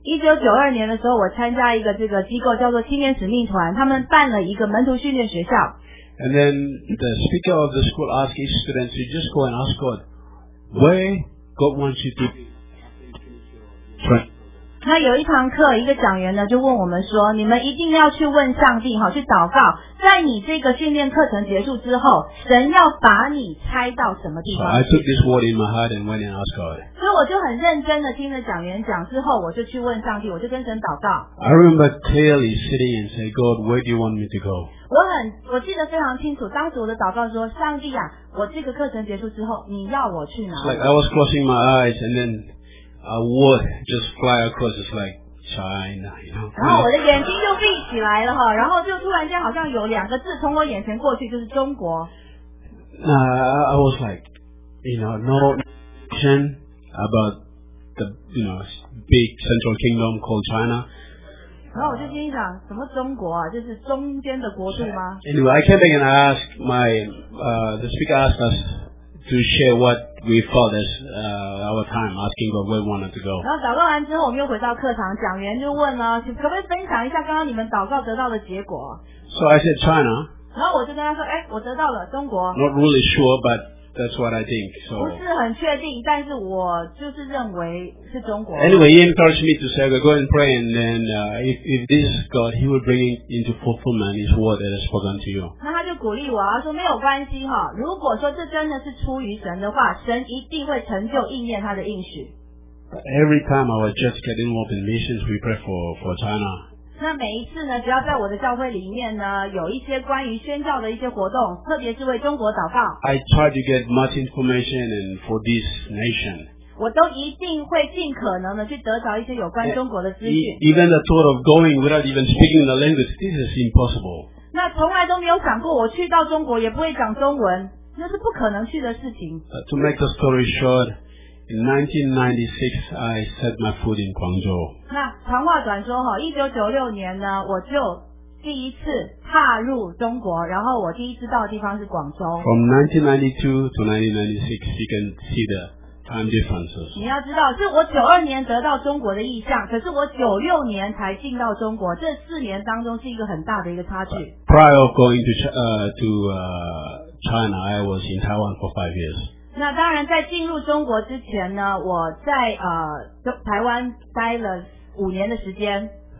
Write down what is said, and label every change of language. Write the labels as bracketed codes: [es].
[zh] 1992年的时候，我参加一个这个机构叫做青年使命团，他们办了一个门徒训练学校。 [en] And then the speaker of the school asked each student to just go and ask God, where God wants you to train. [zh] 那有一堂课，一个讲员呢就问我们说，你们一定要去问上帝，好去祷告，在你这个训练课程结束之后，神要把你猜到什么地方。 [en] So I took this word in my heart and went and asked God. [zh] 所以我就很认真的听了讲员讲之后，我就去问上帝，我就跟神祷告。 [en] I remember clearly sitting and saying, God, where do you want me to go? [zh] 我记得非常清楚，当时我的祷告说，上帝啊，我这个课程结束之后，你要我去哪？ [en] It's like I was closing my eyes and then. A word just fly across, it's like China, you know. [zh] 然后我的眼睛就闭起来了哈，然后就突然间好像有两个字从我眼前过去，就是中国。 [en] I was like, you know, no question about the, you know, big central kingdom called China. [zh] 然后我就心想，什么中国啊？就是中间的国度吗 [en] ？Anyway, I came back and asked the speaker asked us. To share what we thought as our time asking God where we wanted to go. [zh] 然后祷告完之后，我们又回到课堂，讲员就问了，可不可以分享一下刚刚你们祷告得到的结果 [en] ？So I said China. [zh] 然后我就跟他说，哎，我得到了中国。 [en] Not really sure, but that's what I think. So. [zh] 不是很确定，但是我就是认为是中国。 [en] Anyway, he encouraged me to say, "Go and pray, and then if this God, he will bring it into fulfillment his word that has spoken to you." [zh] 那他就鼓励我，他说没有关系哈，如果说这真的是出于神的话，神一定会成就应验他的应许。 [en] Every time I was just getting involved in missions, we pray for China. [zh] 那每一次呢，只要在我的教会里面呢，有一些关于宣教的一些活动，特别是为中国祷告。 [en] I try to get much information and for this nation. [zh] 我都一定会尽可能的去得着一些有关中国的资讯。 [en] Even the thought of going without even speaking the language, this is impossible. [zh] 那从来都没有想过，我去到中国也不会讲中文，那是不可能去的事情。 [en] To make the story short. In 1996, I set my foot in Guangzhou. [zh] 那长话短说哈，1996年呢，我就第一次踏入中国，然后我第一次到的地方是广州。 [en] From 1992 to 1996, you can see the time differences. [zh] 你要知道，是我92年得到中国的意向，可是我96年才进到中国，这四年当中是一个很大的一个差距。 [en] Prior going to China, I was in Taiwan for 5 years. [zh] 那当然在进入中国之前呢，我在台湾待了五年的时间。